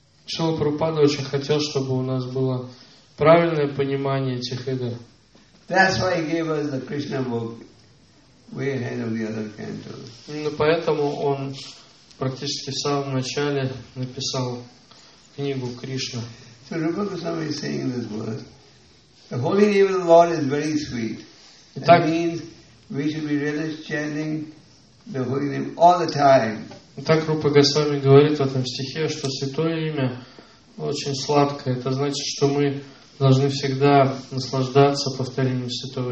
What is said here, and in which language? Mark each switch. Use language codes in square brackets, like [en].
[ru] Шрила Прабхупада очень хотел, чтобы у нас было правильное понимание этих игр. [en] That's why he gave us the Krishna book way ahead of the other cantos. [ru] Ну поэтому он практически в самом начале написал книгу Кришна. [en] So Rupa Goswami is saying in this verse, the holy name of the Lord is very sweet. That means we should be really chanting the holy name all the time. [ru] Так Рупа Госвами говорит в этом стихе, что святое имя очень сладкое. Это значит, что мы должны всегда наслаждаться повторением святого